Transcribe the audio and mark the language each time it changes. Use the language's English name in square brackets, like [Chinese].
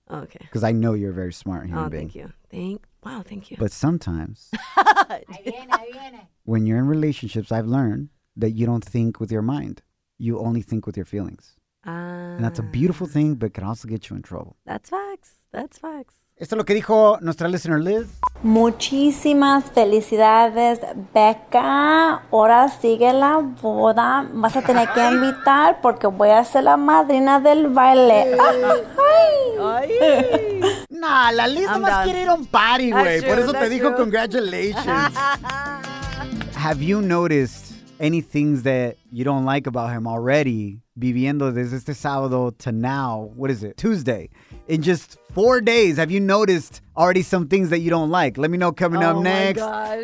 [English] Okay. Because I know you're a very smart human being. Oh, thank you. Wow, thank you. But sometimes, when you're in relationships, I've learned that you don't think with your mind. You only think with your feelings. And that's a beautiful thing, but can also get you in trouble. That's facts. [Spanish] Esto es lo que dijo nuestra listener Liz. Muchísimas felicidades, Becca. Ahora sigue la boda. Vas a tener que invitar porque voy a ser la madrina del baile. Ay. Nah, la Liz nomás quiere ir a un party, güey. Por eso te dijo congratulations. [English] Have you noticed any things that you don't like about him already? [Spanish] Viviendo desde este sábado [English] to now, what is it, Tuesday? In just 4 days, have you noticed already some things that you don't like? Let me know coming up next. Oh my gosh.